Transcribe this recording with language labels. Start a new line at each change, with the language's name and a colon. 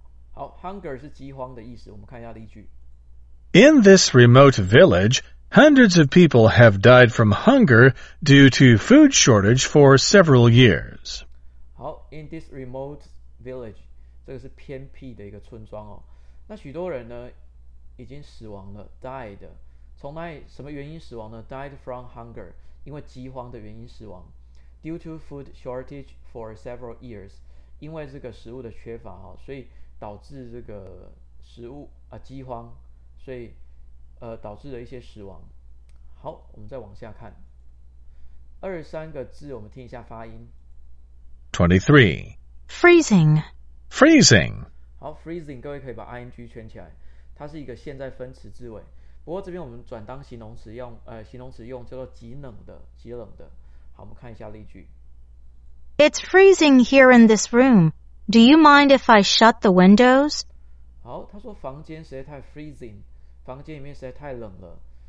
Chinese: 好 ,hunger 是饥荒的意思，我们看一下例句。
English: In this remote village, hundreds of people have died from hunger due to food shortage for several years.
Chinese: 好 ,
English: in this remote village,
Chinese: 这个是偏僻的一个村庄哦。那许多人呢已经死亡了 ,died。从那什么原因死亡呢 ?
English: died from hunger,
Chinese: 因为饥荒的原因死亡。
English: Due to food shortage for several years,
Chinese: 因为这个食物的缺乏哦，所以导致这个食物饥荒，所以导致了一些死亡。好，我们再往下看，23个字，我们听一下发音。 23
English: freezing freezing
Chinese: 好 freezing 各位可以把 ing 圈起来，它是一个现在分词字尾，不过这边我们转当形容词用形容词用叫做极冷的极冷的。好，我们看一下例句。
English: It's freezing here in this room. Do you mind if I shut the windows?
Chinese: 好，他说房间实在太 freezing， 房间里面实在太冷了。